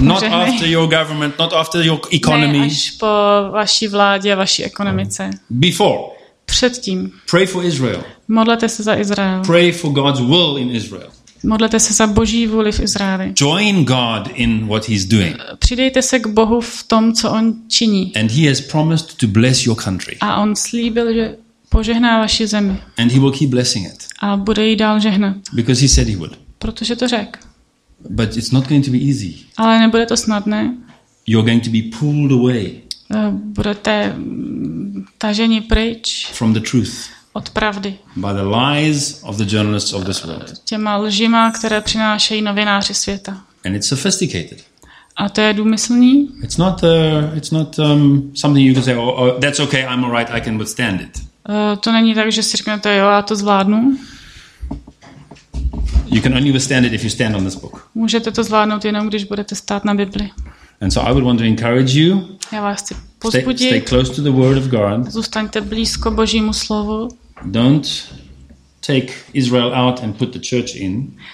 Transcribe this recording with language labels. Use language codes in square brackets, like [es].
[cs] mu žehnej, [en] not after your government, not after your economy, [cs] ne až po vaší vládě a vaší ekonomice, [en] before, [cs] předtím, [en] pray for Israel, [cs] modlete se za Izrael. [en] Pray for God's will in Israel. [cs] Modlete se za Boží vůli v Izraeli. [en] Join God in what he's doing. [cs] Přidejte se k Bohu v tom, co on činí. [en] And he has promised to bless your country. [cs] A on slíbil, že požehná vaši zemi. [en] And he will keep blessing it. [cs] A bude jí dál žehnat. [en] Because he said he would. [cs] Protože to řekl. [en] But it's not going to be easy. [cs] Ale nebude to snadné. [en] You're going to be pulled away. [cs] Budete taženi pryč. [en] From the truth. [cs] Od pravdy. [en] By the lies of the journalists of this world. [cs] Těma lžima, které přinášejí novináři světa. [en] And it's sophisticated. [cs] A to je důmyslný. [en] Something you can say, oh, that's okay, I'm all right, I can withstand it. [cs] To není tak, že si řeknete, jo, já to zvládnu. [en] You can only withstand it if you stand on this book. [cs] Můžete to zvládnout jenom, když budete stát na Bibli. [en] And so I would want to encourage you. [cs] Já vás chci povzbudit. [en] Stay close to the word of God. [cs] Zůstaňte blízko Božímu slovu. [en] Don't take Israel out and put the church in.